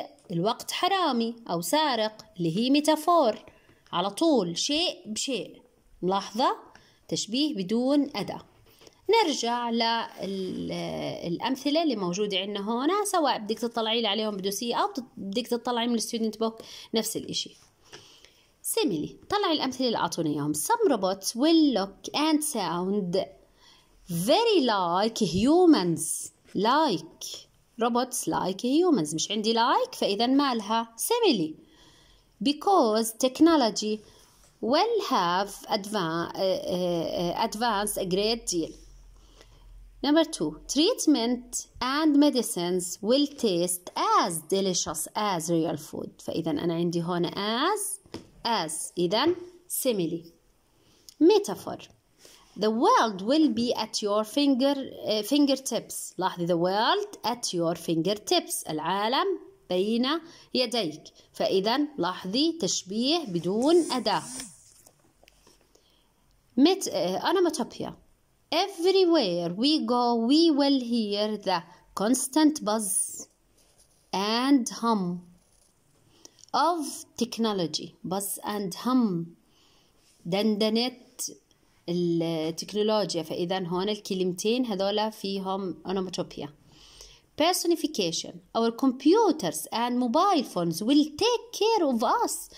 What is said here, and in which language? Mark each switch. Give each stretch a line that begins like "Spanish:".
Arabic: الوقت حرامي أو سارق، اللي هي ميتافور على طول شيء بشيء. ملاحظة تشبيه بدون أداة. نرجع للأمثلة اللي موجودة عندنا هنا، سواء بدك تطلعي عليهم بدوسية أو بدك تطلعي من الستودنت بوك نفس الإشي. سيميلي، طلعي الأمثلة اللي أعطوني إياهم.
English: Some robots will look and sound very like humans. Like robots like humans.
Arabic: مش عندي like فإذا مالها سيميلي.
English: Because technology will have advanced a great deal. Number two. Treatment and medicines will taste as delicious as real food.
Arabic: فإذا أنا عندي هون as إذا سيميلي.
English: Metaphor. The world will be at your fingertips.
Arabic: لاحظي
English: the world at your fingertips.
Arabic: العالم بين يديك. فإذا لاحظي تشبيه بدون أداة.
English: Onomatopoeia. Everywhere we go we will hear the constant buzz and hum of technology. Buzz and hum.
Arabic: دندنة التكنولوجيا. فإذا هون الكلمتين هذولا فيهم أونوموتوبيا.
English: Personification. Our computers and mobile phones will take care of us.